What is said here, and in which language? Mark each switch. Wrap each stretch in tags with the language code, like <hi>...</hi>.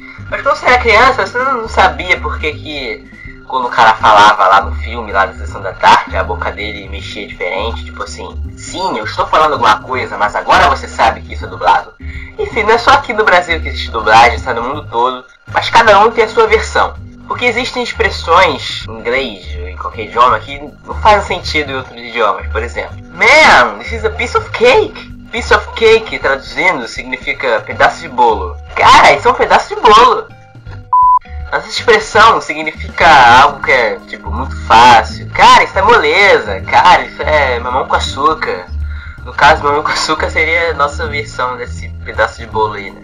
<pt>Mas quando você era criança, você não sabia por que... Quando o cara falava lá no filme, lá na Sessão da Tarde, a boca dele mexia diferente, tipo assim, sim, eu estou falando alguma coisa, mas agora você sabe que isso é dublado. Enfim, não é só aqui no Brasil que existe dublagem, está no mundo todo, mas cada um tem a sua versão. Porque existem expressões em inglês, ou em qualquer idioma, que não fazem sentido em outros idiomas, por exemplo.</pt> <en>Man, this is a piece of cake. Piece of cake,</en> <pt>traduzindo, significa pedaço de bolo. Cara, isso é um pedaço de bolo. Essa expressão significa algo que é, tipo, muito fácil. Cara, isso é moleza. Cara, isso é mamão com açúcar. No caso, mamão com açúcar seria a nossa versão desse pedaço de bolo aí, né?</pt>